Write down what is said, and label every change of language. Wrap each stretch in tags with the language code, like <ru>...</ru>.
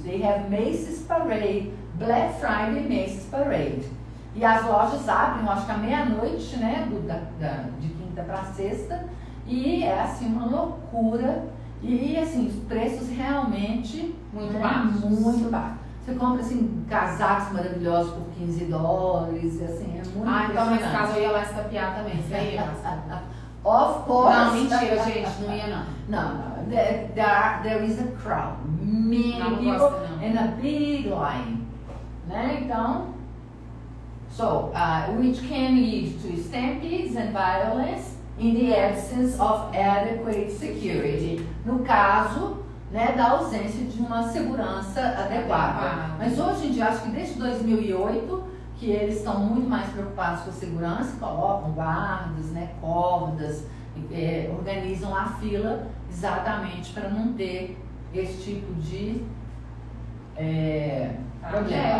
<en>They have Macy's Parade, Black Friday Macy's Parade.</en> <pt>E as lojas abrem, acho que à meia-noite, né? De quinta para sexta. E é assim uma loucura. E assim, os preços realmente muito baixos. Muito baixos. Você compra assim casacos maravilhosos por $15, assim, é muito Ah, então nesse caso eu ia lá estapear também. Isso aí.</pt> <en>Of course.</en> <pt>Não, mentira, gente, não ia não. Não,</pt> <en>there is a crowd. Many</en> <pt>não,</pt> <en>people</en> <pt>gosto, não.</pt> <en>In a big line.</en> <pt>Né, então.</pt> <en>So, which can lead to stampedes and violence in the absence of adequate security.</en> <pt>No caso, né, da ausência de uma segurança adequada. Mas hoje em dia, acho que desde 2008, que eles estão muito mais preocupados com a segurança, colocam guardas, né, cordas, organizam a fila exatamente para não ter esse tipo de problema.</pt>